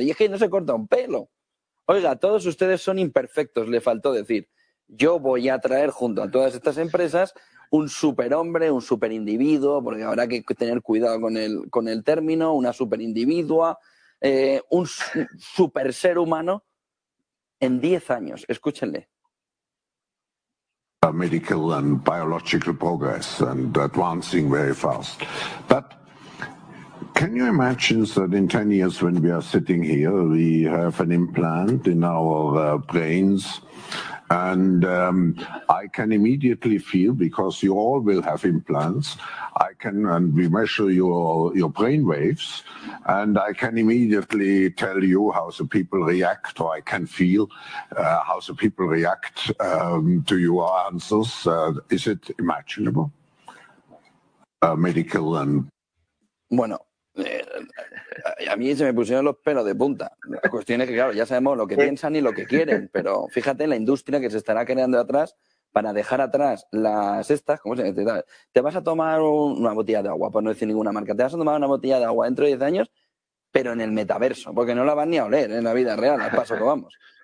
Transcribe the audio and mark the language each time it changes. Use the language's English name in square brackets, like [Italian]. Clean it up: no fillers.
[Spanish] Y es que no se corta un pelo. Oiga, todos ustedes son imperfectos, le faltó decir. Yo voy a traer junto a todas estas empresas un superhombre, un superindividuo, porque habrá que tener cuidado con el término, una superindividua, un super ser humano en 10 años. Escúchenle. [English] Medical and biological progress and advancing very fast. But can you imagine that in 10 years when we are sitting here, we have an implant in our brains? And I can immediately feel, because you all will have implants, I can, and we measure your brain waves, and I can immediately tell you how the people react, or I can feel how the people react to your answers. Is it imaginable? Medical and... [Spanish] Bueno, a mí se me pusieron los pelos de punta. La cuestión es que, claro, ya sabemos lo que piensan y lo que quieren, pero fíjate la industria que se estará creando atrás para dejar atrás las estas. ¿Cómo se necesita? Te vas a tomar una botella de agua, por no decir ninguna marca, te vas a tomar una botella de agua dentro de 10 años, pero en el metaverso, porque no la van ni a oler en la vida real, al paso que vamos.